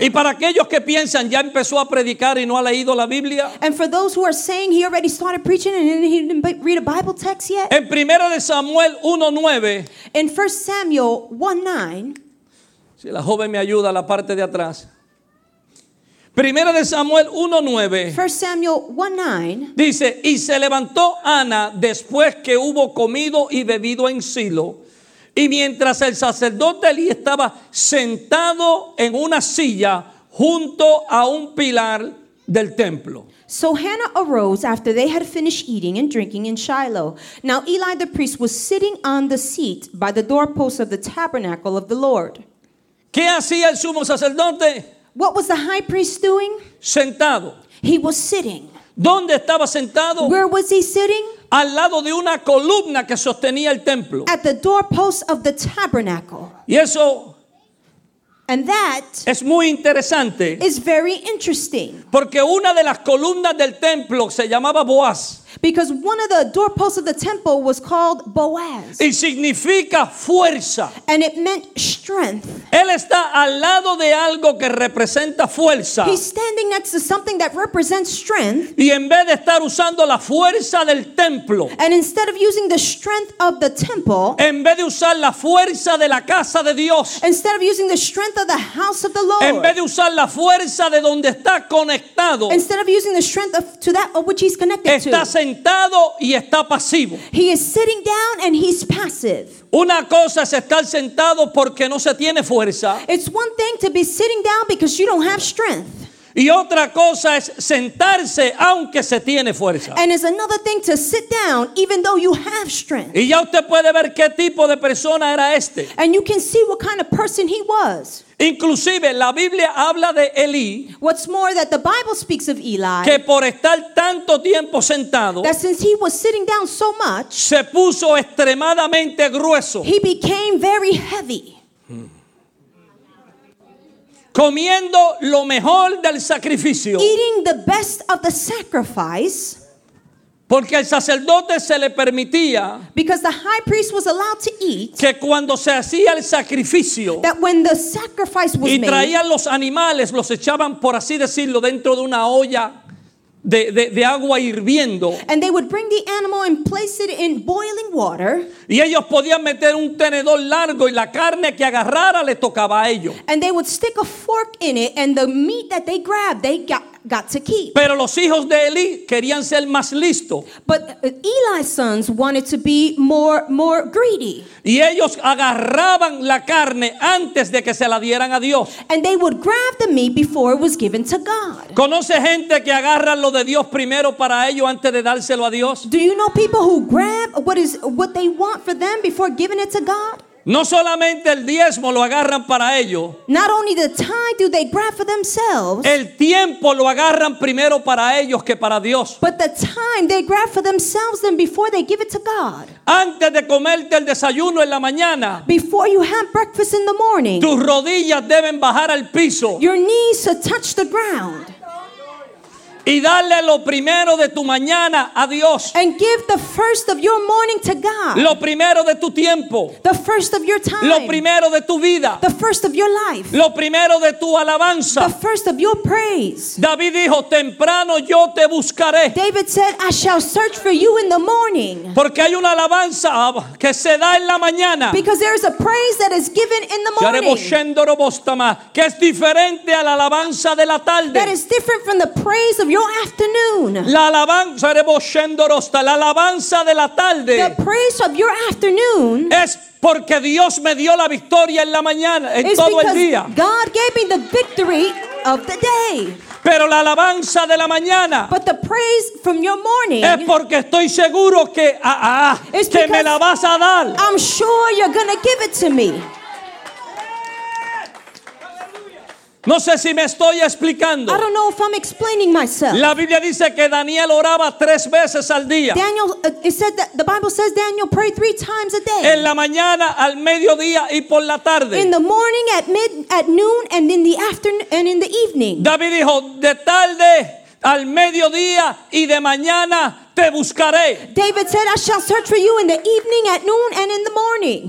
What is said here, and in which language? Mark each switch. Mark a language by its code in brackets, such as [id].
[es] Y para aquellos que piensan ya empezó a predicar y no ha leído la Biblia. [en] And for those who are saying he already started preaching and he didn't read a Bible text yet. [es] En 1 Samuel 1:9. [en] In 1 Samuel 1:9. [es] Si la joven me ayuda a la parte de atrás. Primera de Samuel 1:9. [en] First Samuel 1:9. [es] Dice, y se levantó Ana después que hubo comido y bebido en Silo, y mientras el sacerdote Eli estaba sentado en una silla junto a un pilar del templo. [en] So Hannah arose after they had finished eating and drinking in Shiloh. Now Eli the priest was sitting on the seat by the doorpost of the tabernacle of the Lord. [es] ¿Qué hacía el sumo sacerdote? [en] What was the high priest doing? [es] Sentado. [en] He was sitting. [es] ¿Dónde estaba sentado? [en] Where was he sitting? [es] Al lado de una columna que sostenía el templo. [en] At the doorpost of the tabernacle. [es] Y eso. [en] And that [es] es muy interesante. [en] Is very interesting. [es] Porque una de las columnas del templo se llamaba Boaz. [en] Because one of the doorposts of the temple was called Boaz. [es] Y significa fuerza. [en] And it meant strength. [es] Él está al lado de algo que representa fuerza. [en] He's standing next to something that represents strength. [es] Y en vez de estar usando la fuerza del templo. [en] And instead of using the strength of the temple. [es] En vez de usar la fuerza de la casa de Dios. [en] Instead of using the strength of the house of the Lord. [es] En vez de usar la fuerza de donde está conectado. [en] Instead of using the strength of to that of which he's connected to. [es] Sentado y está pasivo. [en] He is sitting down and he's passive. [es] Una cosa es estar sentado porque no se tiene fuerza. [en] It's one thing to be sitting down because you don't have strength. [es] Y otra cosa es sentarse aunque se tiene fuerza. [en] And it's another thing to sit down even though you have strength. [es] Y ya usted puede ver qué tipo de persona era este. [en] And you can see what kind of person he was. [es] Inclusive la Biblia habla de Eli. [en] What's more, that the Bible speaks of Eli. [es] Que por estar tanto tiempo sentado. [en] That since he was sitting down so much. [es] Se puso extremadamente grueso. [en] He became very heavy. [es] Comiendo lo mejor del sacrificio. [en] Eating the best of the sacrifice. [es] Porque al sacerdote se le permitía. [en] Because the high priest was allowed to eat. [es] Que cuando se hacía el sacrificio. [en] That when the sacrifice was made. [es] Y traían los animales, los echaban, por así decirlo, dentro de una olla de agua hirviendo. [en] And they would bring the animal and place it in boiling water. [es] Y ellos podían meter un tenedor largo y la carne que agarrara le tocaba a ellos. [en] And they would stick a fork in it and the meat that they grabbed, they got to keep. [es] Pero los hijos de Eli querían ser más listos. [en] But Eli's sons wanted to be more greedy. [es] Y ellos agarraban la carne antes de que se la dieran a Dios. [en] And they would grab the meat before it was given to God. [es] ¿Conoce gente que agarra lo de Dios primero para ellos antes de dárselo a Dios? [en] Do you know people who grab what they want for them before giving it to God? [es] No solamente el diezmo lo agarran para ellos. [en] Not only the time do they grab for themselves. [es] El tiempo lo agarran primero para ellos que para Dios. [en] But the time they grab for themselves then before they give it to God. [es] Antes de comerte el desayuno en la mañana. [en] Before you have breakfast in the morning. [es] Tus rodillas deben bajar al piso. [en] Your knees should touch the ground. [es] Y darle lo primero de tu mañana a Dios. [en] And give the first of your morning to God. [es] Lo primero de tu tiempo. [en] The first of your time. [es] Lo primero de tu vida. [en] The first of your life. [es] Lo primero de tu alabanza. [en] The first of your praise. [es] David dijo, temprano yo te buscaré. [en] David said, I shall search for you in the morning. [es] Porque hay una alabanza que se da en la mañana. [en] Because there is a praise that is given in the morning. [es] Que es diferente a la alabanza de la tarde. [en] That is different from the praise of your afternoon. [es] La alabanza, la alabanza de la tarde. [en] The praise of your afternoon [es] es porque Dios me dio la victoria en la mañana, en todo el día. [en] God gave me the victory of the day. [es] Pero la alabanza de la mañana. [en] But the praise from your morning [es] es porque estoy seguro que que me la vas a dar. [en] I'm sure you're gonna give it to me. [es] No sé si me estoy explicando. [en] I don't know if I'm explaining myself. [es] La Biblia dice que Daniel oraba tres veces al día. [en] Daniel, it said that the Bible says Daniel prayed three times a day. [es] En la mañana, al mediodía y por la tarde. [en] In the morning, at noon, and in the afternoon, and in the evening. [es] David dijo, de tarde al mediodía y de mañana te buscaré. [en] David said, I shall search for you in the evening, at noon, and in the morning.